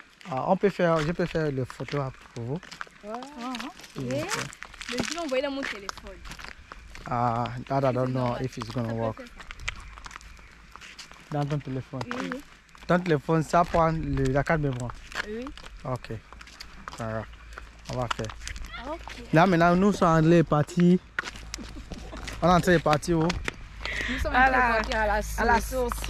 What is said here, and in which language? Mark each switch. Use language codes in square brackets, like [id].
[fr] On peut faire, je peux faire le photo pour vous. Mais je vais envoyer dans mon téléphone. [en] That I don't know if it's gonna work. [fr] dans ton téléphone. Oui. Ton téléphone, ça prend le, la carte de mémoire. Oui. Ok. Voilà. On va faire. Ok. Là, maintenant, nous sommes en partie. On est en train de partir où? Nous sommes en train de partir à la sauce.